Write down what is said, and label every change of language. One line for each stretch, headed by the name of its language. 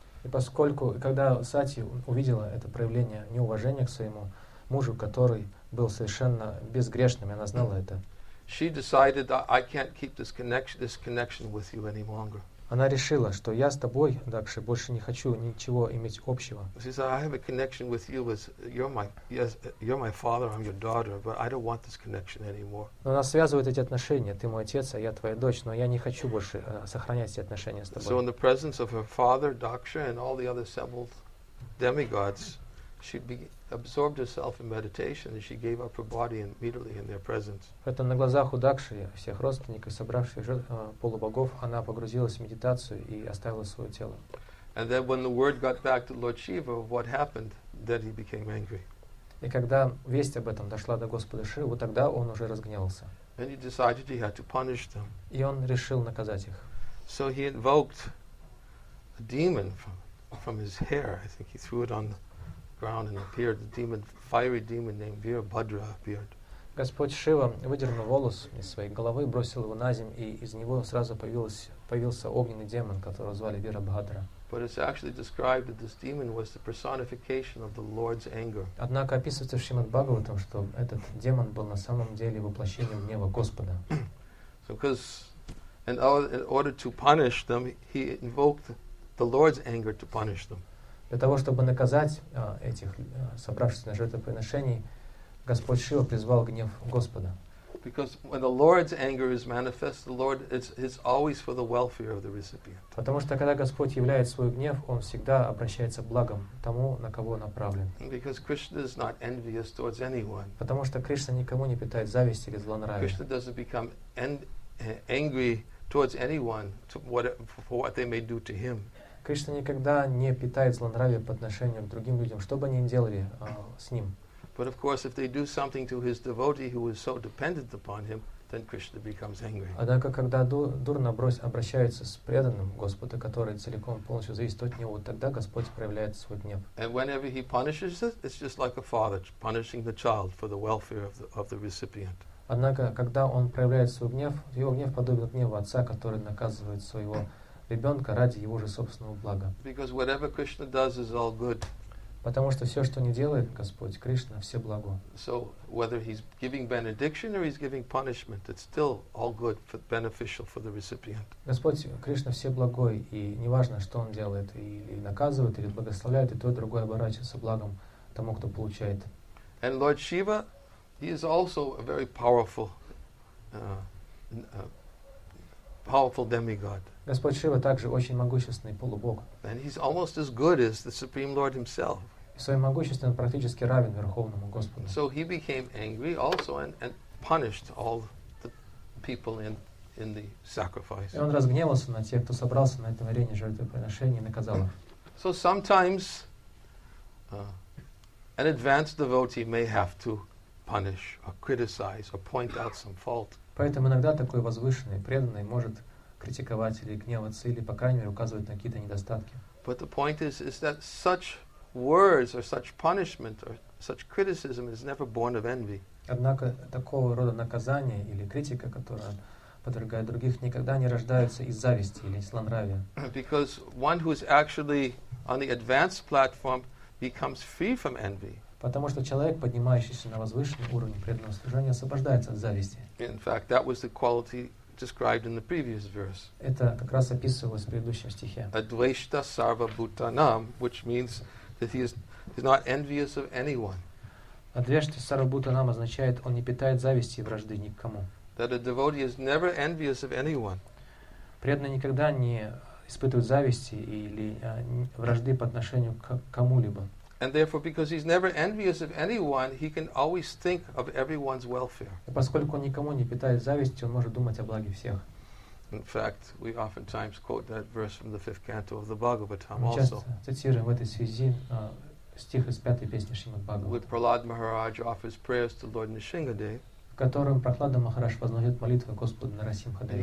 Russian: И поскольку, когда Сати увидела это проявление неуважения к своему мужу, который был совершенно безгрешным, она знала это.
English: She decided that I can't keep this connection with you any longer.
Russian: Она решила, что я с тобой, Дакша, больше не хочу ничего иметь общего.
English: She said, I have a connection with you, you're my father, I'm your daughter, but I don't want this connection anymore.
Russian: Но нас связывают эти отношения. Ты мой отец, а я твоя дочь, но я не хочу больше сохранять эти отношения с тобой.
English: So in the presence of her father, Daksha, and all the other assembled demigods, she absorbed herself in meditation and she gave up her body immediately in their presence.
Russian: Поэтому на глазах у Дакши всех родственников, собравших полубогов, она погрузилась в медитацию и оставила свое тело.
English: And then when the word got back to Lord Shiva of what happened, then he became angry.
Russian: И когда весть об этом дошла до Господа Шивы, вот тогда он уже разгневался.
English: And he decided he had to punish them.
Russian: И он решил наказать их.
English: So he invoked a demon from his hair. I think he threw it on the ground and appeared the demon, fiery demon named Virabhadra appeared.
Russian: Господь Шива выдернул волос из своей головы, бросил его на землю, и из него сразу появился огненный демон, которого звали Вирабхадра.
English: But it's actually described that this demon was the personification of the Lord's anger.
Russian: Однако описывается в Шримад-Бхагаватам, что этот демон был на самом деле воплощением гнева Господа.
English: So because in order to punish them, he invoked the Lord's anger to punish them.
Russian: Для того, чтобы наказать этих собравшихся на жертвоприношений, Господь Шива призвал гнев Господа.
English: Because when the Lord's anger is manifest, the Lord it's always for the welfare of the recipient.
Russian: Потому что когда Господь являет свой гнев, он всегда обращается благом тому, на кого направлен.
English: Because Krishna is not envious towards anyone.
Russian: Потому что Кришна никому не питает зависти или злонравия.
English: Krishna doesn't become angry towards anyone for what they may do to him.
Russian: Кришна никогда не питает злонравия по отношению к другим людям, что бы они ни делали с ним.
English: But of course, if they do something to his devotee who is so dependent upon him, then Krishna becomes angry.
Russian: Однако, когда дурно обращаются с преданным Господа, который целиком полностью зависит от него, тогда Господь проявляет свой гнев.
English: And whenever he punishes it, it's just like a father punishing the child for the welfare of the recipient.
Russian: Однако, когда он проявляет свой гнев, его гнев подобен гневу отца, который наказывает своего ребенка ради его же собственного блага.
English: Because whatever Krishna does is all good.
Russian: Потому что все, что не делает Господь, Кришна, все благо.
English: So, whether he's giving benediction or he's giving punishment, it's still all good, beneficial for the recipient.
Russian: Господь, Кришна, все благой, и неважно, что он делает, или наказывает, или благословляет, и то, и другое оборачивается благом тому, кто получает.
English: And Lord Shiva, he is also a very powerful, powerful demigod.
Russian: Господь Шива также очень могущественный полубог.
English: And he's almost as good as the Supreme Lord himself.
Russian: Своим могуществом он практически равен Верховному Господу.
English: So he became angry also and punished all the people in the sacrifice.
Russian: И он разгневался на тех, кто собрался на это варенье жертвоприношение, и наказал их.
English: So sometimes an advanced devotee may have to punish or criticize or point out some fault.
Russian: Поэтому иногда такой возвышенный, преданный может критиковать или гневаться, или, по крайней мере, указывать на какие-то недостатки.
English: But the point is that such words or such punishment or such criticism is never born of envy.
Russian: Однако такого рода наказание или критика, которая подвергает других, никогда не рождаются из зависти или злонравия.
English: Because one who is actually on the advanced platform becomes free from envy.
Russian: Потому что человек, поднимающийся на возвышенный уровень преданного служения, освобождается от зависти.
English: In fact, that was the quality described in the previous verse.
Russian: Это как раз описывалось в предыдущем стихе.
Sanskrit: Advaishta sarva bhutanam,
English: which means that he is not envious of anyone.
Sanskrit: Advaishta sarva bhutanam
Russian: означает, он не питает зависти и вражды никому.
English: That a devotee is never envious of anyone.
Russian: Преданный никогда не испытывает зависти или вражды по отношению к кому-либо.
English: And therefore, because he's never envious of anyone, he can always think of everyone's welfare.
Russian: И поскольку он никому не питает зависти, он может думать о благе всех.
English: In fact, we oftentimes quote that verse from the fifth canto of the Bhagavatam also.
Russian: Мы часто цитируем в этой связи стих из пятой песни Шримад-Бхагаватам.
English: Where Prahlad Maharaj offers prayers to Lord Nrisimhadev.
Russian: В котором Прохлада Махарадж возносит молитвы Господу Нарасимхадеве.